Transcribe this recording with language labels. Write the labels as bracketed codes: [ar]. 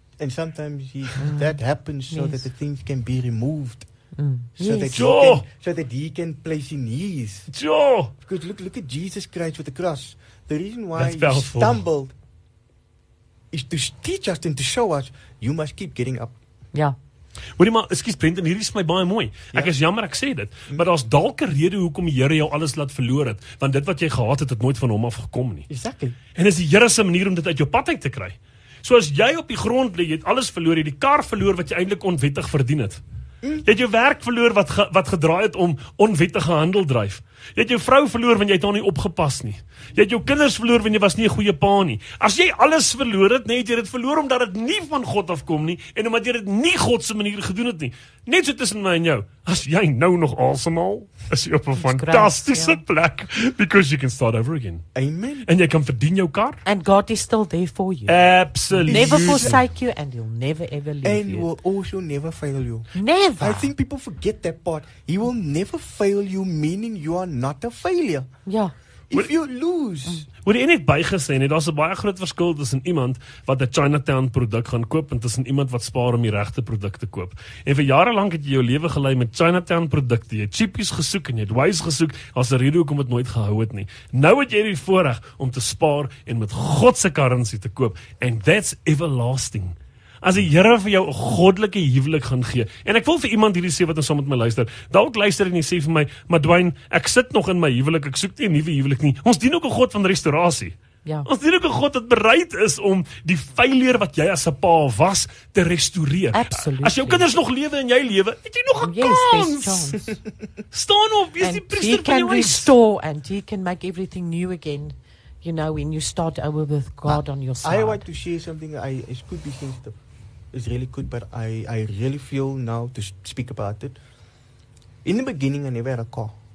[en] And sometimes that happens so that the things can be removed. So that he can place in his. Sure. Because look at Jesus Christ with the cross. The reason why he stumbled is to teach us and to show us you must keep getting up. [af] Hoor jy maar, excuse Brenton, hierdie is my baie mooi. Ek is jammer ek sê dit, maar daar's dalk 'n rede hoekom die Here jou alles laat verloor het, want dit wat jy gehad het, het nooit van hom afgekom nie. [en] Exactly. [af] En is die Here se manier om dit uit jou pad uit te kry. So as jy op die grond lê, jy het alles verloor, jy het die kar verloor wat jy eintlik onwettig verdien het. Jy het jou werk verloor wat gedraai het om onwettige handel dryf. Jy het jou vrou verloor want jy het haar nie opgepas nie. Jy het jou kinders verloor want jy was nie 'n goeie pa nie. As jy alles verloor het, net jy het verloor omdat dit nie van God afkom nie en omdat jy dit nie God se manier gedoen het nie. Net so tussen my en jou. As jy nou nog asemhaal, is jy op 'n fantastiese plek. [en] Because you can start over again. Amen. [af] And jy kan verdien jou kar. [en] And God is still there for you. Absolutely. Never forsake you and he'll never ever leave and you. And will also never fail you. Never. I think people forget that part. He will never fail you, meaning you are not a failure. Yeah. If you lose. [af] Word jy net bygesê, nee, daar's 'n baie groot verskil tussen iemand wat 'n Chinatown produk gaan koop en tussen iemand wat spaar om die regte produk te koop. En vir jare lank het jy jou lewe gelei met Chinatown produkte. Jy het cheapies gesoek en jy het wise gesoek, as 'n rede hoekom dit nooit gehou het nie. Nou het jy die voorreg om te spaar en met God se currency te koop [en] and that's everlasting. [af] As die Here vir jou 'n goddelike huwelik gaan gee. En ek wil vir iemand hierdie sê wat ons saam met my luister. Dalk luister en jy sê vir my, maar Dwain, ek sit nog in my huwelik. Ek soek nie 'n nuwe huwelik nie. Ons dien ook 'n God van restaurasie. Ja. Ons dien ook 'n God wat bereid is om die failure wat jy as 'n pa was te restoreer. Absoluut. As jou kinders nog lewe en jy lewe, het jy nog 'n kans. [en] Yes, [af] staan op, wees die priester van jou [en] huis. And he can restore and he can make everything new again. You know, when you start over with God on your side. I want to share something it could be sensitive. It's really good, but I really feel now to speak about it. In the beginning, I never had a car.